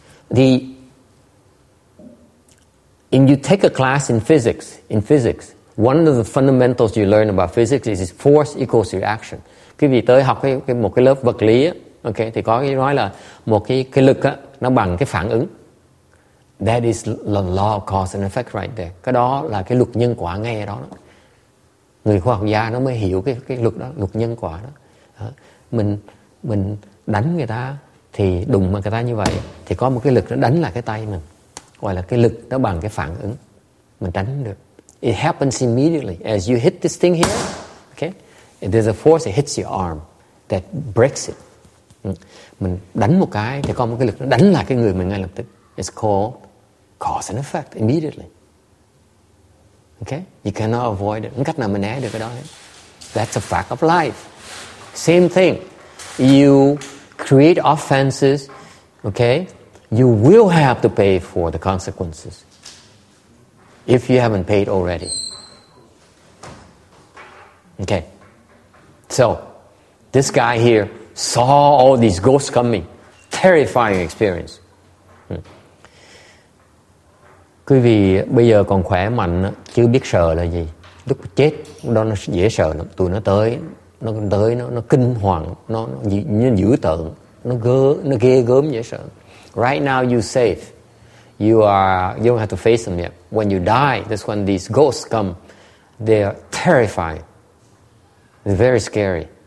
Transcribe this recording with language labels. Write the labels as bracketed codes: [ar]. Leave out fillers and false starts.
[en] Thì if you take a class in physics, one of the fundamentals you learn about physics is force equals reaction. [vi] Khi vị tới học một cái lớp vật lý, okay, thì có cái nói là một cái lực á nó bằng cái phản ứng. [en] That is the law of cause and effect right there. [vi] Cái đó là cái luật nhân quả ngay đó. Người khoa học gia nó mới hiểu cái luật đó, luật nhân quả đó. Mình đánh người ta thì đụng mà người ta như vậy thì có một cái lực nó đánh lại cái tay mình. Gọi là cái lực nó bằng cái phản ứng, mình tránh được. [en] It happens immediately as you hit this thing here, okay? There's a force that hits your arm that breaks it. [vi] Mình đánh một cái thì có một cái lực nó đánh lại cái người mình ngay lập tức. [en] It's called cause and effect immediately. Okay? You cannot avoid it. [vi] Không cách nào mà né được cái đó hết. [en] That's a fact of life. Same thing. You create offenses, okay? You will have to pay for the consequences if you haven't paid already. Okay. So, this guy here saw all these ghosts coming. Terrifying experience. [vi] Quý vị bây giờ còn khỏe mạnh chưa biết sợ là gì. Lúc chết đó nó dễ sợ lắm. Tụi nó tới nó kinh hoàng, nó dữ tợn, nó ghê gớm dễ sợ. [en] Right now you're safe. You don't have to face them yet. When you die, that's when these ghosts come. They're terrifying. It's very scary.